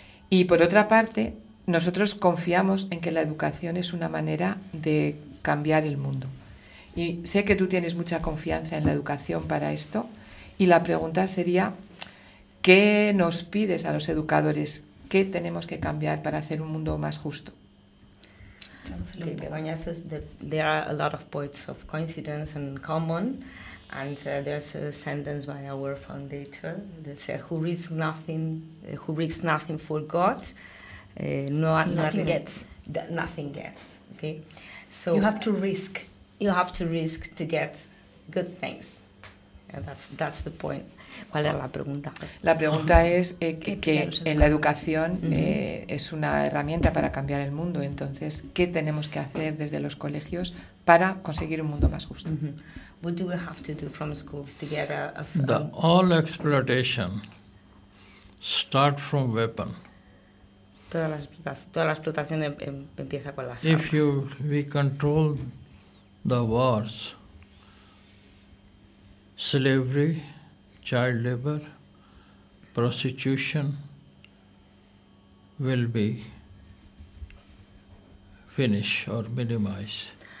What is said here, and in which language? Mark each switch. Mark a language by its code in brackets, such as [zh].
[es] Y por otra parte, nosotros confiamos en que la educación es una manera de cambiar el mundo. Y sé que tú tienes mucha confianza en la educación para esto. Y la pregunta sería, ¿qué nos pides a los educadores? ¿Qué tenemos que cambiar para hacer un mundo más justo? [en] Okay, Begoña says that there are a lot of points of coincidence and common, and there's a sentence by our foundator that says, who risks nothing for God, nothing gets. Okay, so you have to risk. You have to risk to get good things. Yeah, that's the point. [es] ¿Cuál es la pregunta? La pregunta es que en la educación es una herramienta para cambiar el mundo. Entonces, ¿qué tenemos que hacer desde los colegios para conseguir un mundo más justo? Mm-hmm. [en] What do we have to do from schools to get All exploitation start from weapon. [es] Toda la explotación empieza con las armas. [en] If we control the wars, slavery, child labor, prostitution will be finished or minimized.